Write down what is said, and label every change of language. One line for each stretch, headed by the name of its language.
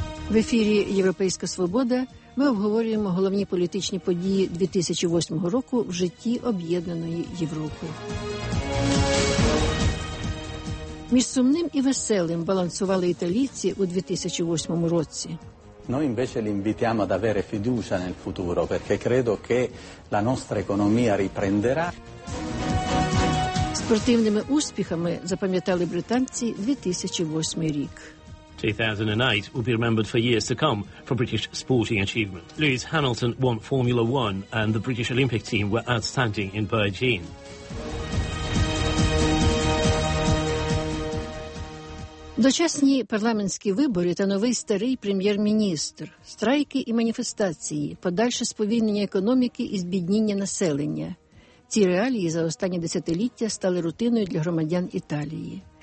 Ukrainian: В ефірі «Європейська свобода» ми обговорюємо головні політичні події 2008 року в житті Об'єднаної Європи. Між сумним і веселим балансували італійці у 2008 році.
Italian: Noi invece li invitiamo ad avere fiducia nel futuro, perché credo che la nostra economia riprenderà.
Ukrainian: Спортивними успіхами запам'ятали британці 2008 рік.
English: 2008 will be remembered for years to come for British sporting achievement. Lewis Hamilton won Formula One and the British Olympic team were outstanding in Beijing.
Ukrainian: Дочасні парламентські вибори та новий старий прем'єр-міністр, страйки і маніфестації, подальше сповільнення економіки і збідніння населення. Ці реалії за останні десятиліття стали рутиною для громадян Італії.